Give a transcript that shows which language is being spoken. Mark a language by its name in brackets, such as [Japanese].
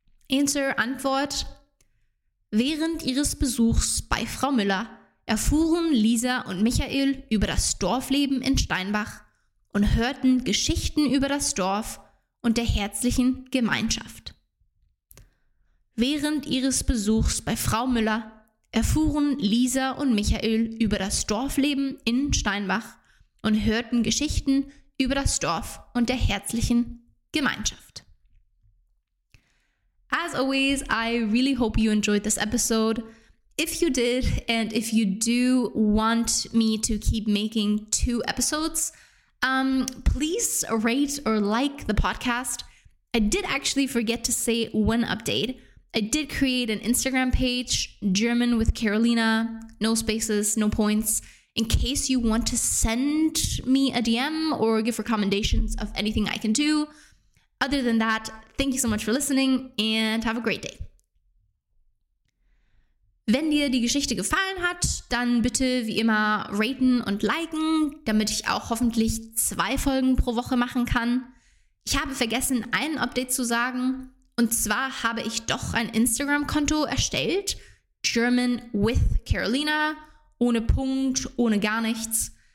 [English] Answer, [German] Antwort. Während ihres Besuchs bei Frau Müller erfuhren Lisa und Michael über das Dorfleben in Steinbach und hörten Geschichten über das Dorf und der herzlichen Gemeinschaft. Während ihres Besuchs bei Frau Müller erfuhren Lisa und Michael über das Dorfleben in Steinbach und hörten Geschichten über das Dorf und der herzlichen Gemeinschaft. [English] As always, I really hope you enjoyed this episode. If you did, and if you do want me to keep making 2 episodes, please rate or like the podcast. I did actually forget to say one update. I did create an Instagram page, German with Carolina, no spaces, no points, in case you want to send me a DM or give recommendations of anything I can do. Other than that, thank you so much for listening and have a great day. [German] Wenn dir die Geschichte gefallen hat, dann bitte wie immer raten und liken, damit ich auch hoffentlich 2 Folgen pro Woche machen kann. Ich habe vergessen, ein Update zu sagen. Und zwar habe ich doch ein Instagram-Konto erstellt, German with Carolina, ohne Punkt, ohne gar nichts.